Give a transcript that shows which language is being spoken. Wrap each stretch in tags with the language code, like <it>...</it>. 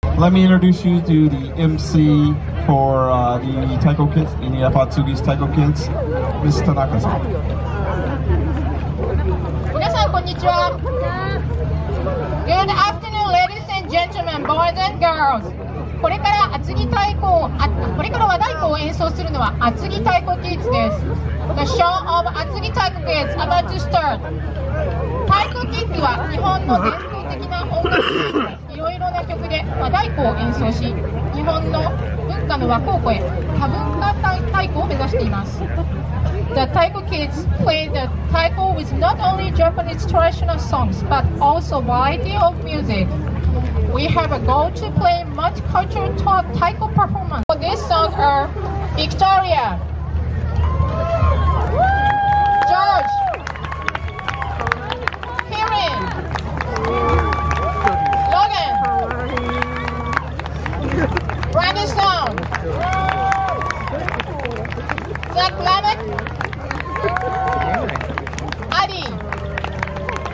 <en>Let me introduce you to the MC for the taiko kids, the Apatsugi's taiko kids, Ms. Tanaka-san. Good afternoon, ladies and gentlemen, boys and girls.</en> <ja>これから厚木太鼓を、これから和太鼓を演奏するのは厚木太鼓キッズです。</ja> <en>The show of 厚木太鼓 kids about to start.</en> <ja>太鼓キッズは日本の伝統的な音楽でいろいろな曲で和太鼓を演奏し、日本の文化の和光を超え、多文化太鼓を目指しています。</ja> <en>The taiko kids play the taiko with not only Japanese traditional songs, but also variety of music. We have a goal to play multicultural taiko performance. For this song are Victoria, George, Kirin, Logan, Brandon Stone, Zach Lamek, Adi.</en>